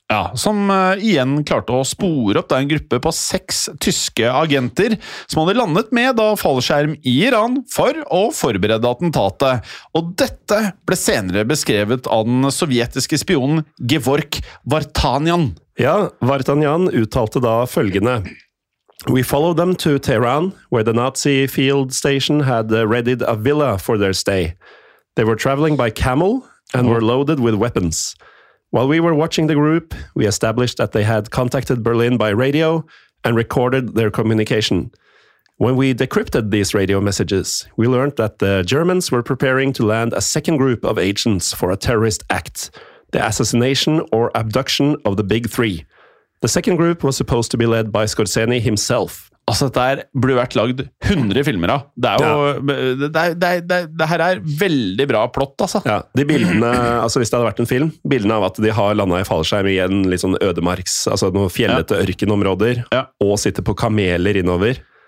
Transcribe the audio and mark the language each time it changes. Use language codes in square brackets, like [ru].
[no] Ja, som igjen klarte å spore opp da en gruppe på 6 tyske agenter som hadde landet med da fallskjerm i Iran for å forberede attentatet. Og dette ble senere beskrevet av den sovjetiske spionen Gevork Vartanian. Ja, Vartanian uttalte da følgende. [en] We followed them to Tehran, where the Nazi field station had readied a villa for their stay. They were traveling by camel and were loaded with weapons. While we were watching the group, we established that they had contacted Berlin by radio and recorded their communication. When we decrypted these radio messages, we learned that the Germans were preparing to land a second group of agents for a terrorist act. The assassination or abduction of the Big Three. The second group was supposed to be led by Skorzeny himself. [no] Altså, dette her burde vært lagd 100 filmer av. Det er jo... Ja. Det her er veldig bra plott, altså. Ja, de bildene... Altså, hvis det hadde vært en film, bildene av at de har landet i fallskjerm igjen, litt sånn ødemarks, altså noen fjellete ørkenområder, og sitter på kameler innover.